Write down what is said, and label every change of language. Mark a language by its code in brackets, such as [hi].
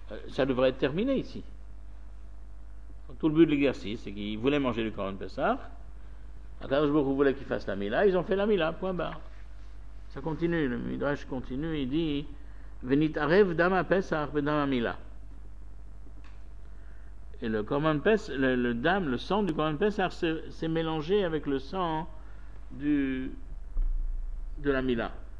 [fr] Ça devrait être terminé ici. Tout le but de l'exercice, c'est qu'ils voulaient manger du Korban Pessah. Akadosh Baruch Hu voulait qu'ils fassent la Mila. Ils ont fait la Mila, point barre. Ça continue, le Midrash continue, il dit. [he] ונתערב דם הפסח ודם המילה. [fr] Et le Korban Pessah, le dam, le sang du Korban Pessah s'est mélangé avec le sang de la Mila.